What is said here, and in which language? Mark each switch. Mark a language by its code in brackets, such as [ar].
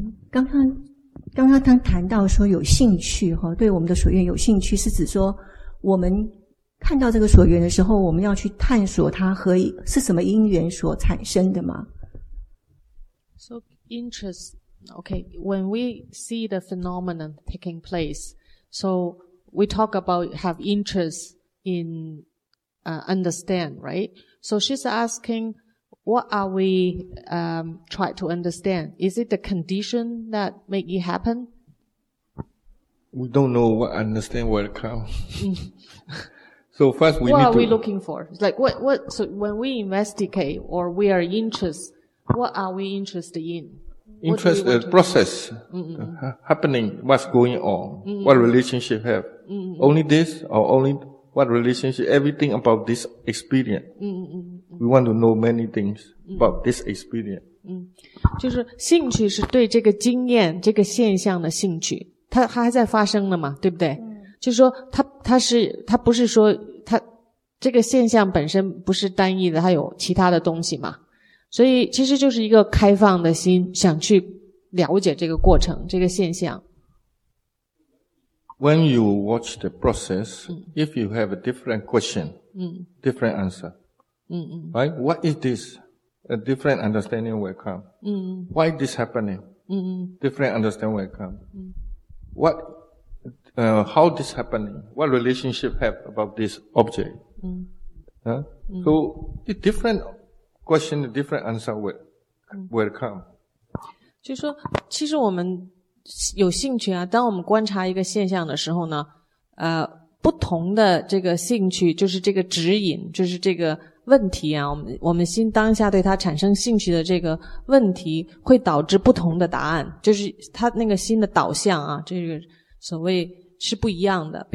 [zh] 刚刚他谈到说有兴趣齁，对我们的所缘有兴趣，是指说我们看到这个所缘的时候，我们要去探索它和是什么因缘所产生的吗？ [en] So interest, okay, when we see the phenomenon taking place, so we talk about have interest in understand, right? So she's asking, what are we trying to understand? Is it the condition that make it happen? We don't know what understand where it comes. So first we what need are to, we looking for? It's like what so when we investigate or we are interested, what are we interested in? Interest in the process happening, what's going on, what relationship have. Mm-hmm. Only this or only what relationship, everything about this experience. Mm-hmm. We want to know many things about this experience. [zh] 就是兴趣是对这个经验这个现象的兴趣。它还在发生的嘛，对不对？就是说它不是说它这个现象本身不是单一的，它有其他的东西嘛。所以其实就是一个开放的心，想去了解这个过程这个现象。 [en] When you watch the process, if you have a different question, different answer, right? What is this? A different understanding will come. Why this happening? Different understanding will come. What, how this happening? What relationship have about this object? So, the different question, the different answer will come. [zh] 就说其实我们有兴趣啊，当我们观察一个现象的时候呢，不同的这个兴趣，就是这个指引，就是这个问题啊，我们心当下对它产生兴趣的这个问题，会导致不同的答案，就是它那个心的导向啊，这个所谓是不一样的。